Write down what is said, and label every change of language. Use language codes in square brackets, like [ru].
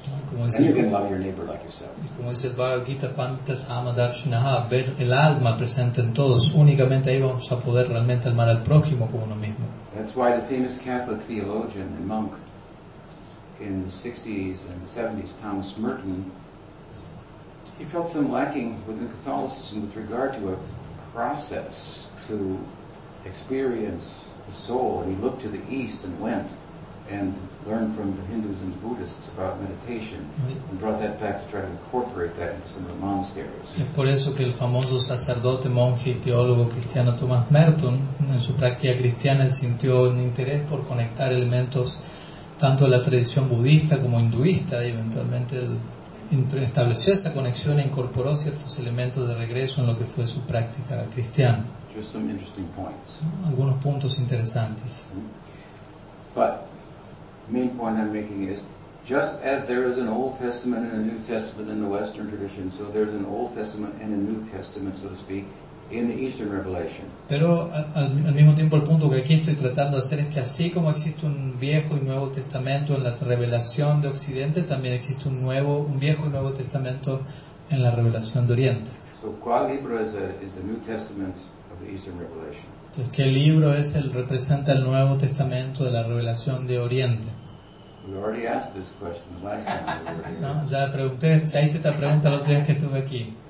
[es] Como dice el Bhagavad Gita, Pantas Amadarshinaha, ver el alma presente en todos, únicamente ahí vamos a poder realmente amar al prójimo como uno mismo. [en] That's why the famous Catholic theologian and monk in the 60s and 70s, Thomas Merton, he felt some lacking within Catholicism with regard to a process to experience the soul, and he looked to the East and went and learn from the Hindus and Buddhists about meditation and brought that back to try to incorporate that into some of the monasteries. [es] Es por eso que el famoso sacerdote, monje y teólogo cristiano Thomas Merton, en su práctica cristiana, él sintió un interés por conectar elementos tanto de la tradición budista como hinduista, y eventualmente él estableció esa conexión e incorporó ciertos elementos de regreso en lo que fue su práctica cristiana. [en] Just some interesting points. [es] Algunos puntos interesantes. [en] But the main point I'm making is, just as there is an Old Testament and a New Testament in the Western tradition, so there's an Old Testament and a New Testament, so to speak, in the Eastern Revelation. [es] Pero al mismo tiempo el punto que aquí estoy tratando de hacer es que así como existe un viejo y nuevo testamento en la revelación de Occidente, también existe un viejo y nuevo testamento en la revelación de Oriente. [en] So [es] ¿cuál libro [en] is the New Testament of the Eastern Revelation? [es] Entonces, ¿qué libro es el representa el Nuevo Testamento de la Revelación de Oriente? [en] We already asked this question the last time we were here. [es] No, ya pregunté, ya hice esta pregunta la última vez que estuve aquí.